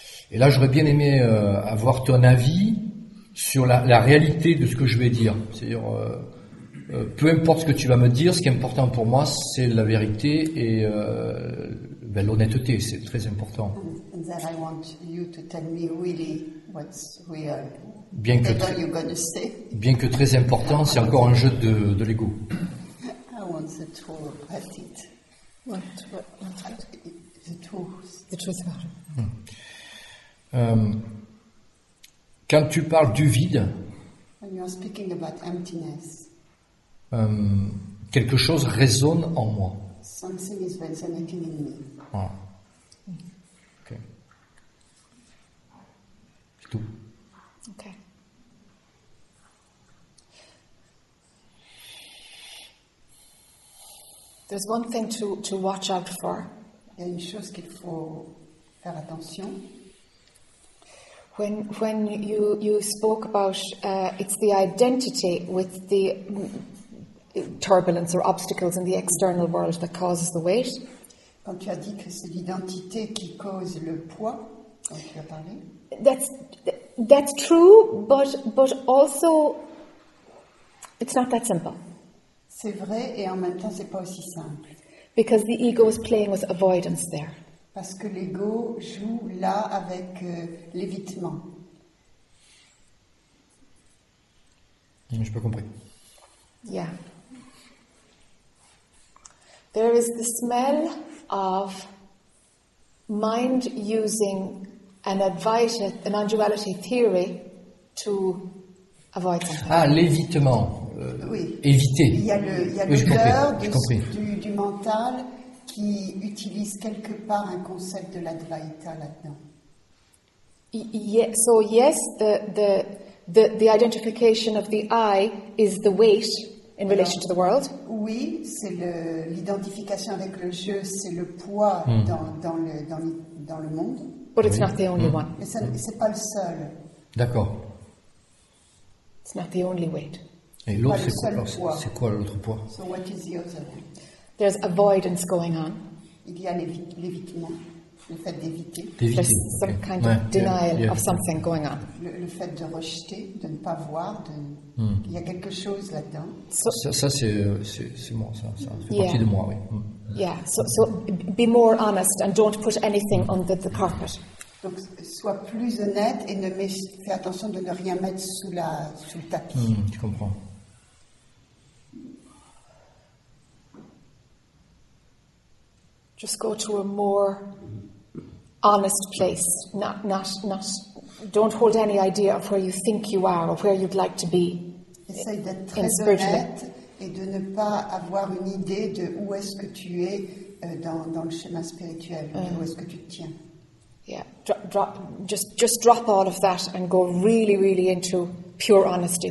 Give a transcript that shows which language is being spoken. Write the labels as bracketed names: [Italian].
[French] Et là, j'aurais bien aimé avoir ton avis sur la réalité de ce que je vais dire. C'est-à-dire, peu importe ce que tu vas me dire, ce qui est important pour moi, c'est la vérité et l'honnêteté, c'est très important. [English] And then I want you to tell me really what's real. [French] Bien que, [English] you're gonna say. [French] Bien que très important, c'est encore un jeu de l'ego. [English] I want the truth about it. The truth. [French] Quand tu parles du vide, [English] when you're speaking about emptiness, [French] quelque chose résonne en moi. [English] Something is resonating in me. Ah. Ok. [French] C'est tout. Ok. [English] There's one thing to watch out for. [French] Il y a une chose qu'il faut faire attention. [English] When you spoke about it's the identity with the turbulence or obstacles in the external world that causes the weight. [French] Quand tu as dit que c'est l'identité qui cause le poids, quand tu as parlé. [English] That's true, but also it's not that simple. [French] C'est vrai et en même temps c'est pas aussi simple. [English] Because the ego is playing with avoidance there. [French] Parce que l'ego joue là avec l'évitement. Je n'ai pas compris. Yeah. [English] There is the smell of mind using an Advaita, a non-duality theory, to avoid something. [French] Ah, l'évitement. Oui. Éviter. Il y a l'odeur du mental qui utilise quelque part un concept de l'advaita là-dedans. [English] So yes, the identification of the I is the weight in alors, relation to the world. [French] Oui, c'est l'identification avec le jeu, c'est le poids dans le monde. [English] But it's not the only one. [French] C'est pas le seul. D'accord. [English] It's not the only weight. [French] Et l'autre, c'est quoi, c'est quoi l'autre poids? [English] So what is the other one? There's avoidance going on. [French] Il y a l'évitement, le fait d'éviter. [English] There's some kind of denial of something going on. [French] Le fait de rejeter, de ne pas voir, de... il y a quelque chose là-dedans. So, ça c'est moi, ça fait partie de moi, oui. [English] Yeah, so be more honest and don't put anything under the carpet. [French] Donc, sois plus honnête et fais attention de ne rien mettre sous le tapis. Tu comprends. [English] Just go to a more honest place. Not. Don't hold any idea of where you think you are or where you'd like to be. [French] Essaye d'être très honnête et de ne pas avoir une idée de où est-ce que tu es dans le chemin spirituel, où est-ce que tu te tiens. [English] Yeah, just drop all of that and go really, really into pure honesty.